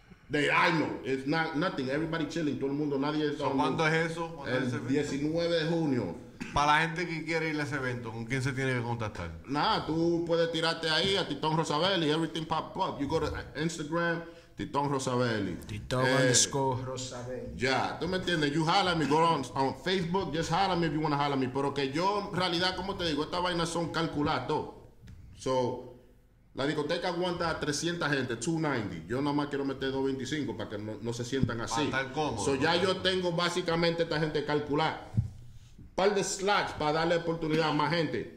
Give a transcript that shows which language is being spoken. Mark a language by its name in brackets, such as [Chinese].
[English] They, I know, it's not nothing, everybody chilling, [Spanish] todo el mundo, nadie está. ¿Cuándo es eso? El 19 de junio. Para la gente que quiere ir a ese evento, ¿con quién se tiene que contactar? Nada, tú puedes tirarte ahí a Titón Rosabelli, [English] everything pop up. You go to Instagram, Titón Rosabelli. Titón underscore Rosabelli. Ya, yeah, [Spanish] tú me entiendes, [English] you holla me, go on Facebook, just holla me if you want to holla me. [Spanish] Pero que yo, en realidad, como te digo, estas vainas son calculadas. So, la discoteca aguanta 300 gente, 290. Yo nada más quiero meter 225 para que no se sientan así. Para estar cómodo. So ya yo tengo básicamente esta gente calcular. Par de slots para darle oportunidad a más gente.